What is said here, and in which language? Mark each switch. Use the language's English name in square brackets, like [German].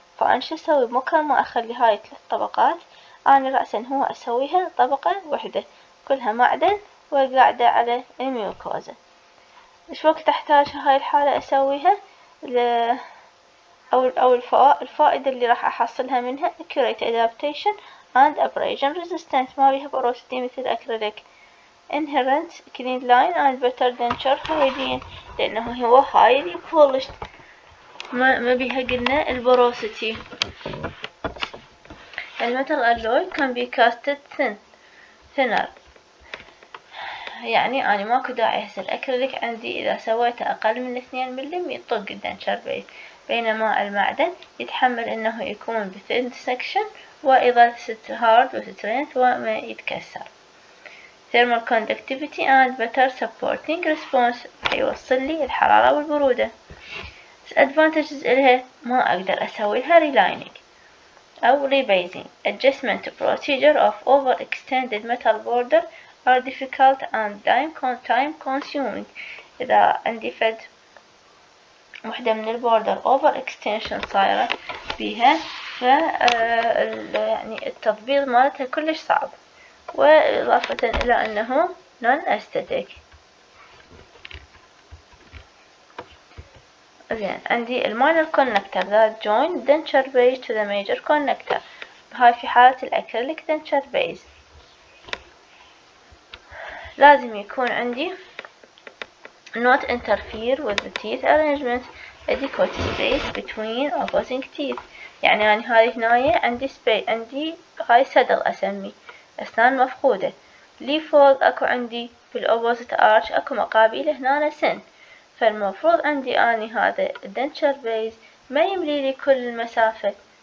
[Arabic] فانا شو اسوي؟ مكان ما اخلي هاي ثلاث طبقات، انا رأسا هو اسويها طبقة واحدة كلها معدن وقاعدة على الميوكوزا. ايش وقت احتاج هاي الحالة اسويها؟ او الفائدة اللي راح احصلها منها [English] accurate adaptation and abrasion resistance، [Arabic] ما بيها بروستي مثل اكريليك. [English] inherent clean line and better denture hygiene [Arabic] لانه هو [English] highly polished [Arabic] ما بيها قلنا البروستي. المتل الوي [English] can be casted thin thinner، [Arabic] يعني انا ماكو داعي هسه الاكريليك عندي اذا سويته اقل من 2 ملم يطق الدنتشر بيز، بينما المعدن يتحمل انه يكون بثين سكشن وإذا ست هارد وسترينث وما يتكسر. [English] thermal conductivity and better supporting response [Arabic] يوصل لي الحرارة والبرودة. disadvantages إلها ما أقدر أسوي لها relining أو rebasing. [English] adjustment procedure of overextended metal border are difficult and time consuming. [Arabic] إذا عندي فد وحدة من البوردر over extension صايرة بيها ف يعني التطبيق مالتها كلش صعب، وإضافة إلى أنه non aesthetic. زين عندي المينر كونكتر [English] that join denture base to the major connector، [Arabic] هاي في حالة الأكريليك [English] denture base [Arabic] لازم يكون عندي [English] not interfere with the teeth arrangement adequate space between opposing teeth. [Arabic] يعني أنا هاي هنا عندي space، عندي هاي سدل أسمي أسنان مفقودة. leaf fold أكو عندي في opposite arch أكو مقابيل هنا سن، فالمفروض عندي أني هذا denture base ما يملي لي كل المسافة.